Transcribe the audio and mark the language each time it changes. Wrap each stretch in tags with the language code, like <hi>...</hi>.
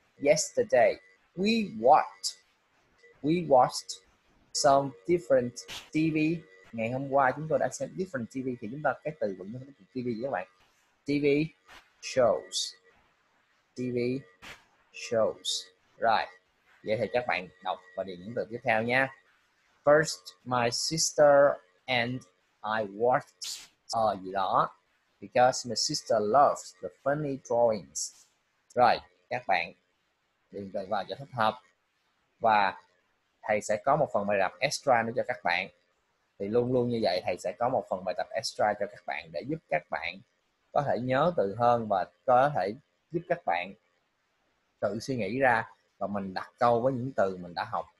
<en>Yesterday, we watched. We watched some different TV.</en> <vi>Ngày hôm qua chúng tôi đã xem</vi> <en>different TV.</en> <vi>Thì chúng ta cái từ vựng TV các bạn.</vi> <en>TV shows. TV shows. Right.</en> <vi>Vậy thì các bạn đọc và điền những từ tiếp theo nha.</vi> <en>First, my sister and I watched</en> <vi>gì đó.</vi> <en>Because my sister loves the funny drawings. Right.</en> <vi>Các bạn điền từ vào cho thích hợp. Và thầy sẽ có một phần bài tập extra nữa cho các bạn. Thì luôn luôn như vậy, thầy sẽ có một phần bài tập extra cho các bạn để giúp các bạn có thể nhớ từ hơn và có thể giúp các bạn tự suy nghĩ ra và mình đặt câu với những từ mình đã học.</vi>